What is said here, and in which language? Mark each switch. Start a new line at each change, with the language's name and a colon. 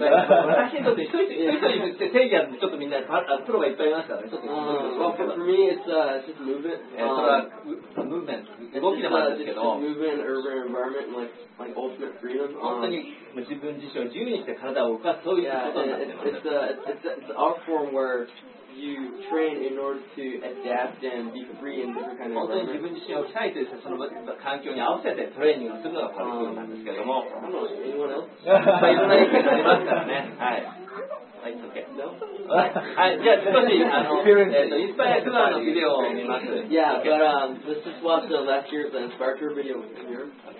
Japanese: 私にとって一人一人定義はちょっとみんなプロがいっぱいいますからね。ちょっと。
English: Well, for me, it's just movement. Movement.
Japanese: 動きでもあるんですけど。
English: Movement, urban environment, like ultimate freedom.
Japanese: 本当に自分自身を自由にして体を動かすということになってます。
English: It's an art form where you train in order to adapt and be free in different kind of environment.
Japanese: 本当に自分自身を鍛えてその環境に合わせてトレーニングをするのがパルクールなんですけども。いろんな意見がありますからね。はい。はい、OK。はい、じゃあ少し、インスパイアツアーのビデオを見ます。
English: Yeah, but let's just watch the last year's Inspire Tour video here.